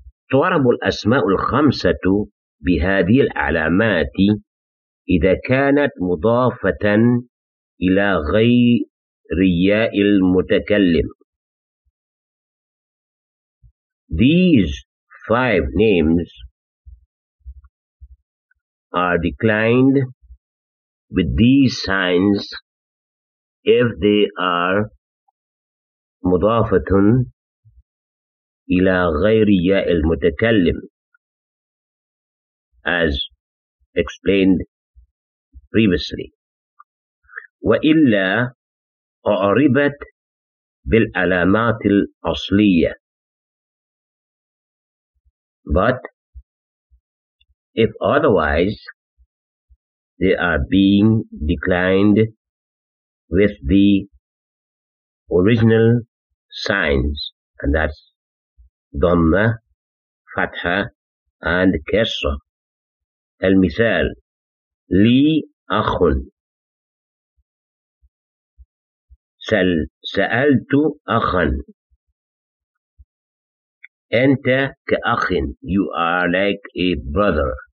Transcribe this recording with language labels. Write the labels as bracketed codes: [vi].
[ar] تعرب الأسماء الخمسة بهذه العلامات إذا كانت مضافة إلى غير ياء المتكلم. [en] These five names are declined with these signs if they are [ar] مضافة إلى غير ياء المتكلم [en] as explained previously [ar] وإلا أعربت بالعلامات الأصلية [en] but if otherwise they are being declined with the original signs and that's Dhamma, Fatha and Kesra. [ar] المثال لي أخ سألت أخا أنت كأخ [en] you are like a brother.